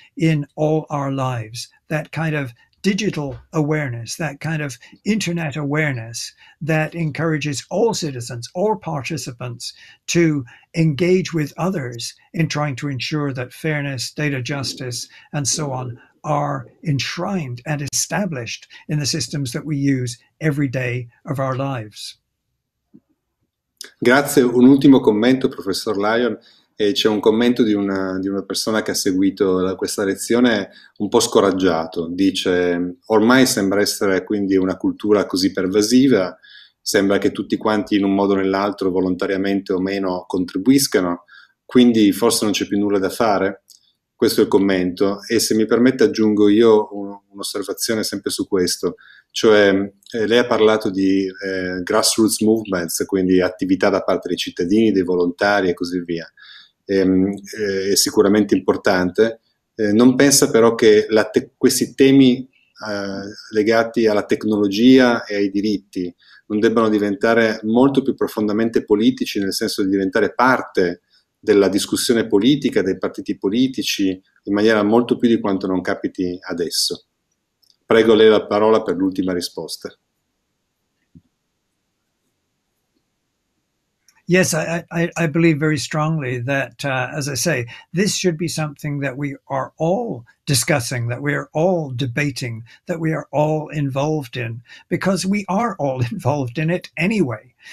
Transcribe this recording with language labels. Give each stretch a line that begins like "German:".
English: in all our lives, that kind of digital awareness, that kind of internet awareness that encourages all citizens, all participants to engage with others in trying to ensure that fairness, data justice, and so on are enshrined and established in the systems that we use every day of our lives.
Italian: Grazie. Un ultimo commento, Professor Lyon. C'è un commento di una persona che ha seguito questa lezione un po' scoraggiato. Dice, ormai sembra essere quindi una cultura così pervasiva, sembra che tutti quanti in un modo o nell'altro, volontariamente o meno, contribuiscano, quindi forse non c'è più nulla da fare? Questo è il commento. E se mi permette aggiungo io un'osservazione sempre su questo. Cioè, lei ha parlato di grassroots movements, quindi attività da parte dei cittadini, dei volontari e così via. È sicuramente importante, non pensa però che questi temi legati alla tecnologia e ai diritti non debbano diventare molto più profondamente politici, nel senso di diventare parte della discussione politica, dei partiti politici, in maniera molto più di quanto non capiti adesso. Prego lei la parola per l'ultima risposta.
English: Yes, I believe very strongly that, as I say, this should be something that we are all discussing, that we are all debating, that we are all involved in, because we are all involved in it anyway.